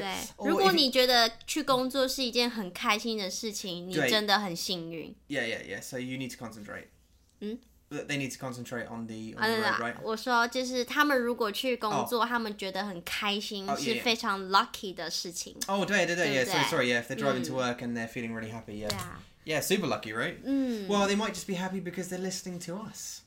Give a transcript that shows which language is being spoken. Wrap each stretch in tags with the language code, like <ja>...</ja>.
<zh>对，如果你觉得去工作是一件很开心的事情，你真的很幸运。</zh> <en>Yeah. So you need to concentrate. 嗯。 They need to concentrate on the road, right?</en> <zh>我说就是他们如果去工作，他们觉得很开心，是非常 lucky 的事情。 Oh, 对。</zh> <en>So sorry, yeah. If they're driving to work and they're feeling really happy, yeah. Yeah, super lucky, right? Mm. Well, they might just be happy because they're listening to us.</en>